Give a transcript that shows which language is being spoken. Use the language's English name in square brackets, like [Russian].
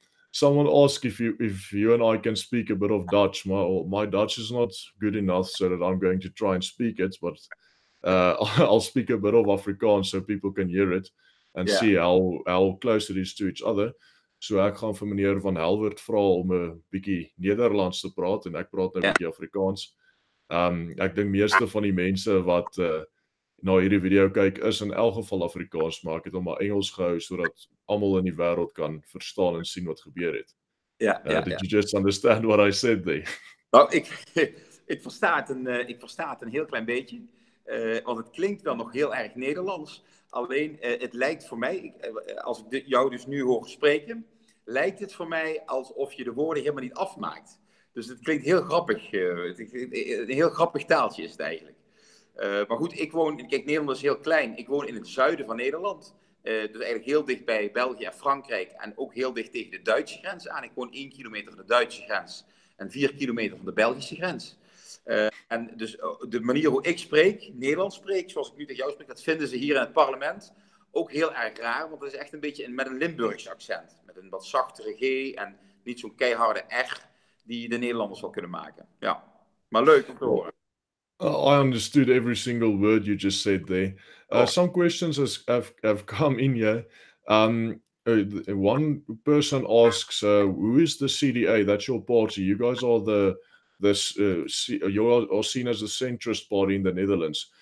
[English] Someone asked if you and I can speak a bit of Dutch. My Dutch is not good enough, so that I'm going to try and speak it, but I'll speak a bit of Afrikaans so people can hear it and see how close it is to each other. [Afrikaans] So ek gaan vir meneer van Helvert vra om 'n bietjie Nederlands te praat, en ek praat nou 'n bietjie Afrikaans. Ek dink meeste van die mense wat na hierdie video kyk is in elk geval Afrikaans, maar ek het hom maar Engels gehou sodat almal in die wêreld kan verstaan en sien wat gebeur het. [English] You just understand what I said there? [Dutch] Well, ik verstaat een heel klein beetje, want het klinkt wel nog heel erg Nederlands. Alleen, het lijkt voor mij, als ik jou dus nu hoor spreken, lijkt het voor mij alsof je de woorden helemaal niet afmaakt. Dus het klinkt heel grappig. Een heel grappig taaltje is het eigenlijk. Maar goed, Nederland is heel klein. Ik woon in het zuiden van Nederland. Dus eigenlijk heel dicht bij België en Frankrijk. En ook heel dicht tegen de Duitse grens aan. Ik woon 1 kilometer van de Duitse grens en 4 kilometer van de Belgische grens. En dus de manier hoe ik spreek, Nederlands spreek, zoals ik nu tegen jou spreek, dat vinden ze hier in het parlement ook heel erg raar, want het is echt een beetje met een Limburgs accent, met een wat zachtere G en niet zo'n keiharde R die de Nederlanders wel kunnen maken. Ja, maar leuk om te horen. [English] I understood every single word you just said there. Some questions have come in here. One person asks, who is the CDA? That's your party. You guys are you are seen as a centrist party in the Netherlands.